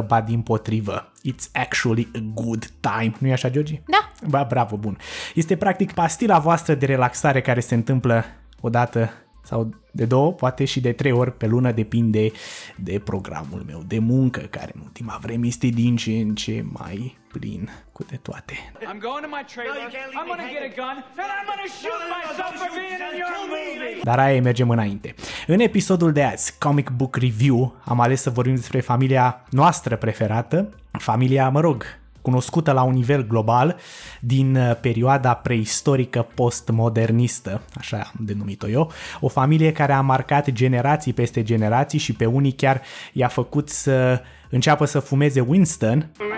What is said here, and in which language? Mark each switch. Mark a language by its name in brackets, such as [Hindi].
[Romanian] Ba dimpotrivă, [English] it's actually a good time, [Romanian] nu-i așa, [English] Georgi? [Romanian] Da. Ba, bravo, bun. Este practic pastila voastră de relaxare care se întâmplă o dată sau de două, poate și de trei ori pe lună, depinde de programul meu de muncă, care în ultima vreme este din ce în ce mai plin cu de toate. [English] I'm going to my trailer, I'm going to get a gun, and I'm going to shoot myself for being in your movie. [Romanian] Dar aia, mergem înainte. În episodul de azi, Comic Book Review, am ales să vorbim despre familia noastră preferată, familia, mă rog, cunoscută la un nivel global din perioada preistorică postmodernistă, așa am denumit-o eu, o familie care a marcat generații peste generații și pe unii chiar i-a făcut să înceapă să fumeze Winston.